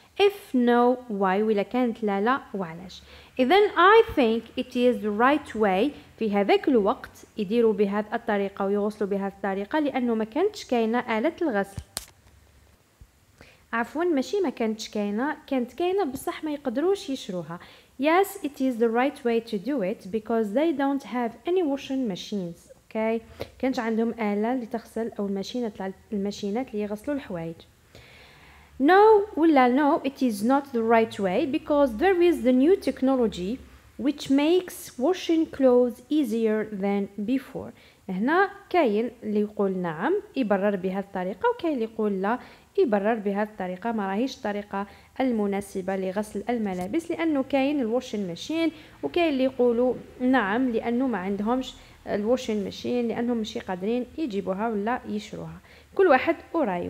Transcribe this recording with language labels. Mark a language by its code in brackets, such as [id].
[en] if no why، [ar] ولا كانت لا لا وعلاش. اذا [en] I think it is the right way، [ar] في هذاك الوقت يديروا بهذه الطريقة ويغسلوا بهذه الطريقة لأنه ما كانتش كاينة آلة الغسل. عفوا ماشي ما كانتش كاينة، كانت كاينة بصح ما يقدروش يشروها. [en] yes it is the right way to do it because they don't have any washing machines. [ar] okay، كانش عندهم آلة لتغسل أو الماشينات اللي يغسلوا الحوايج. [en] no [ar] ولا [en] no it is not the right way because there is the new technology which makes washing clothes easier than before. [ar] هنا كاين اللي يقول نعم يبرر بهذه الطريقه، وكاين اللي يقول لا يبرر بهذه الطريقه، ما راهيش الطريقه المناسبه لغسل الملابس لانه كاين الواشين ماشين، وكاين اللي يقولوا نعم لانه ما عندهمش الواشين ماشين لانهم مش قادرين يجيبوها ولا يشروها. كل واحد ورايه.